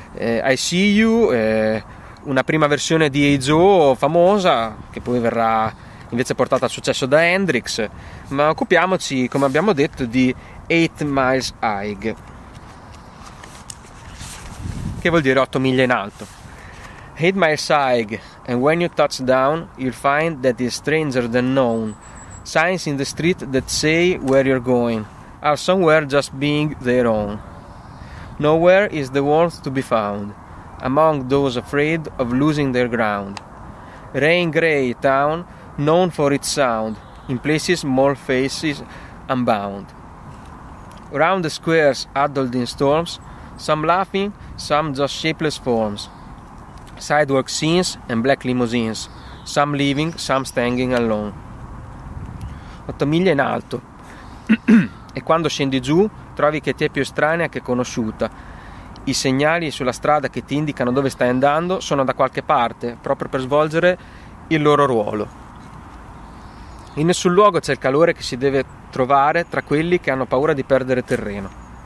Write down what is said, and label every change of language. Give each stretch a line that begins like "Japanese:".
Italian: I See You, una prima versione di Hey Joe famosa, che poi verrà invece portata al successo da Hendrix. Ma occupiamoci, come abbiamo detto, di 8 Miles High, che vuol dire 8 miglia in alto.
English: 8 Miles High, and when you touch down, you'll find that it's stranger than known. Signs in the street that say where you're going are somewhere just being their own. Nowhere is the warmth to be found among those afraid of losing their ground. Rain gray town, known for its sound, in places more faces unbound. Around the squares huddled in storms, some laughing, some just shapeless forms. Sidewalk scenes and black limousines, some leaving, some standing alone.
Italian: 8 miglia in alto. E quando scendi giù, trovi che ti è più estranea che conosciuta. I segnali sulla strada che ti indicano dove stai andando sono da qualche parte, proprio per svolgere il loro ruolo. In nessun luogo c'è il calore che si deve trovare tra quelli che hanno paura di perdere terreno.